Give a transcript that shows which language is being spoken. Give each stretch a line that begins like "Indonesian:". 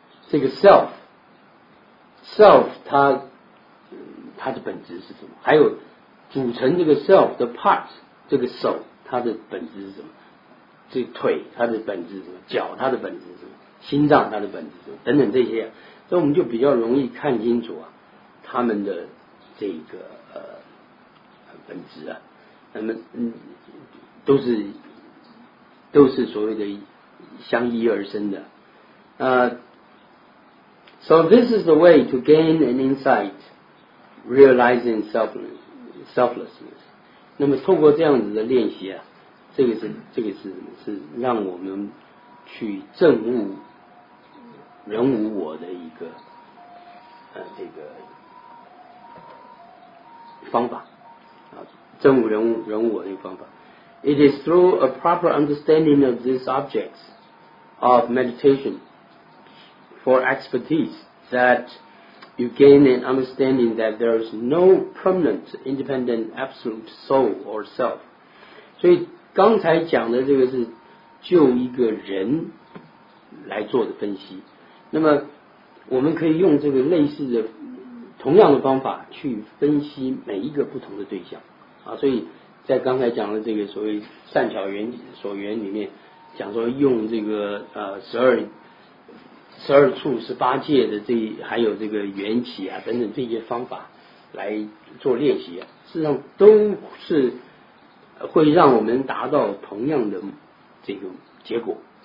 Chinese: 这个 self 它的本质是什么，还有组成这个 self 的 part， 这个手它的本质是什么，这个、腿它的本质是什么，脚它的本质是什么，心脏它的本质是什么，等等这些，所以我们就比较容易看清楚啊它们的这个本质啊，那么都是所谓的相依而生的啊。
English: So this is the way to gain an insight, realizing selflessness.
Chinese: 那么透过这样子的练习啊，这个是让我们去证悟人无我的一个这个方法啊，证悟人无我的一个方法。
English: It is through a proper understanding of these objects of meditation. For expertise that you gain an understanding that there is no permanent independent absolute soul or self.
Chinese: 所以刚才讲的这个是就一个人来做的分析，那么我们可以用这个类似的同样的方法去分析每一个不同的对象啊。所以在刚才讲的这个所谓善巧缘所缘里面讲说用这个十二处十八界的这还有这个缘起啊等等这些方法来做练习啊，事实上都是会让我们达到同样的这个结果。